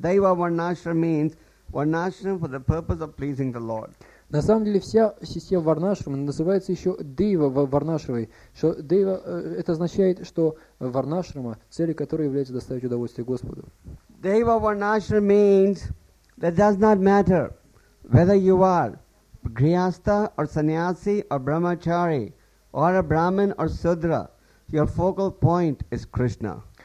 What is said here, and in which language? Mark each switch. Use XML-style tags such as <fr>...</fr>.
<en>Deva Varnashram means Varnashram for the purpose of pleasing the Lord.</en> <ru>На самом деле вся система Варнашрама называется еще Дейва Варнашравой. Что Дейва, это означает, что Варнашрама, целью которой является доставить удовольствие Господу.</ru> <en>Deva Varnashram means that does not matter whether you are Grihastha or Sannyasi or Brahmachari or a Brahmin or Sudra, your focal point is Krishna.</en>